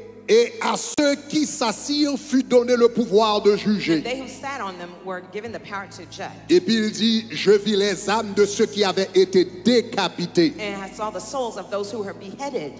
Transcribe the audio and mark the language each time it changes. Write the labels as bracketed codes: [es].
[fr] Et à ceux qui s'assirent fut donné le pouvoir de juger. [en] And they who sat on them were given the power to judge. [fr] Et puis il dit, je vis les âmes de ceux qui avaient été décapités. [en] And I saw the souls of those who were beheaded.